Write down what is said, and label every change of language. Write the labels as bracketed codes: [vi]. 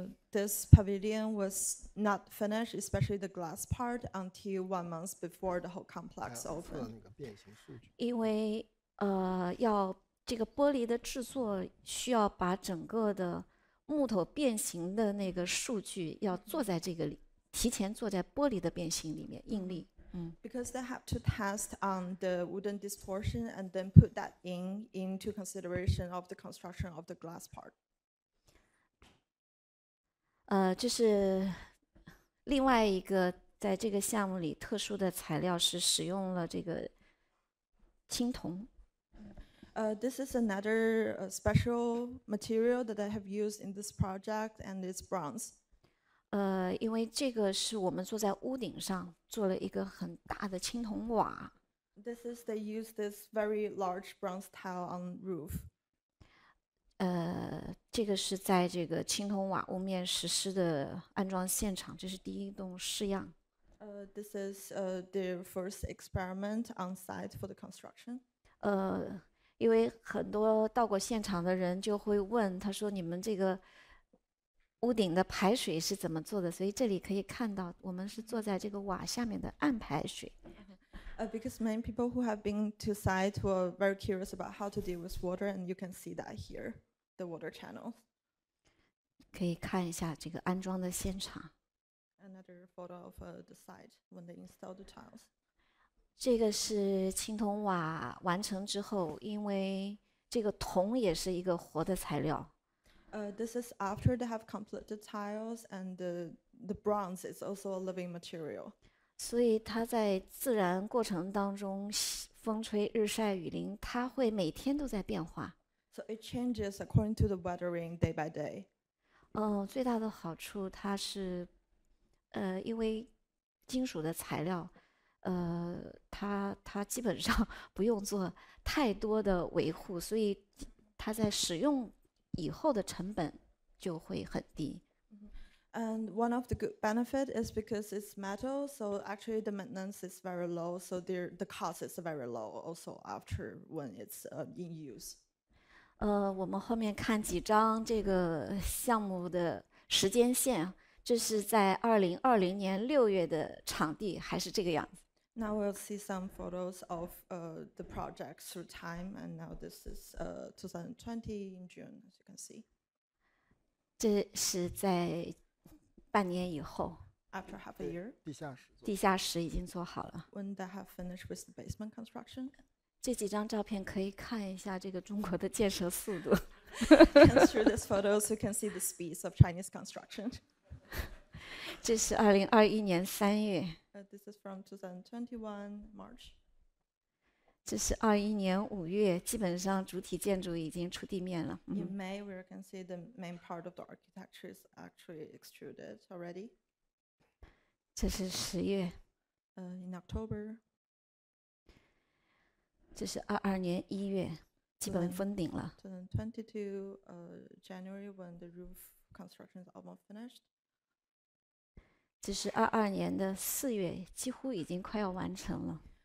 [en] This pavilion was not finished, especially the glass part, until 1 month before the whole complex opened. [zh] 因为要这个玻璃的制作需要把整个的木头变形的那个数据要做在这个里，提前做在玻璃的变形里面应力。 [en] Because they have to test on the wooden distortion and then put that into consideration of the construction of the glass part. [zh] 这是另外一个在这个项目里特殊的材料，是使用了这个青铜。 [en] This is another special material that I have used in this project, and it's bronze. [zh] 因为这个是我们坐在屋顶上做了一个很大的青铜瓦。 [en] This is they use this very large bronze tile on roof. [zh] 这个是在这个青铜瓦屋面实施的安装现场，这是第一栋试样。 [en] This is their first experiment on site for the construction. [zh] 因为很多到过现场的人就会问，他说你们这个屋顶的排水是怎么做的，所以这里可以看到我们是坐在这个瓦下面的暗排水。 [en] Because many people who have been to site were very curious about how to deal with water, and you can see that here, the water channel. [zh] 可以看一下这个安装的现场。 [en] Another photo of the site when they installed the tiles. [zh] 这个是青铜瓦完成之后，因为这个铜也是一个活的材料。 [en] This is after they have completed the tiles, and the bronze is also a living material. [zh] 所以它在自然过程当中，风吹日晒雨淋，它会每天都在变化。 [en] So it changes according to the weathering day by day. [zh] 最大的好处它是，因为金属的材料。它基本上不用做太多的维护，所以它在使用以后的成本就会很低。 [en] And one of the good benefits is because it's metal, so actually the maintenance is very low, so the cost is very low also after when it's in use. [zh] 我们后面看几张这个项目的时间线，这是在2020年6月的场地，还是这个样子。 [en] Now we'll see some photos of the project through time, and now this is 2020 in June, as you can see. [zh] 这是在半年以后。 [en] After half a year. [zh] 地下室。地下室已经做好了。 [en] When they have finished with the basement construction. [zh] 这几张照片可以看一下这个中国的建设速度。 [en] Through these photos, you can see the speed of Chinese construction. [zh] 这是2021年3月。 [en] This is from 2021 March. [zh] 这是2021年5月，基本上主体建筑已经出地面了。 [en] In May, we can see the main part of the architecture is actually extruded already. [zh] 这是10月。 [en] In October. [zh] 这是2022年1月，基本封顶了。 [en] 2022 January, when the roof construction is almost finished. [zh] 这是22年的4月，几乎已经快要完成了。